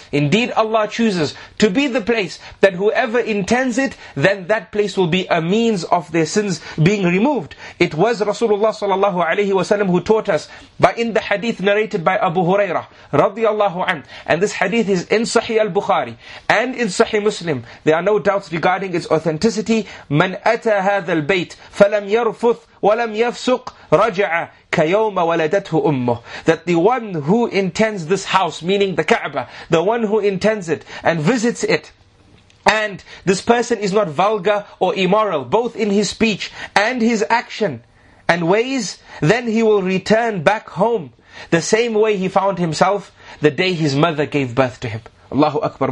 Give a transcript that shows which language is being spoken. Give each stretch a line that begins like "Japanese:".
English: Indeed, Allah chooses to be the place that whoever intends it, then that place will be a means of their sins being removed. It was Rasulullah sallallahu alayhi wa sallam who taught us by in the hadith narrated by Abu Hurairah radiallahu anhu. And this hadith is in Sahih al-Bukhari and in Sahih Muslim. There are no doubts regarding its authenticity.
Arabic: من أتى هذا البيت فلم يرفث ولم يفسق رجع كيوم ولدته أمه.
English: That the one who intends this house, meaning the Kaaba, the one who intends it and visits it, and this person is not vulgar or immoral, both in his speech and his action and ways, then he will return back home the same way he found himself the day his mother gave birth to him. Allahu Akbar.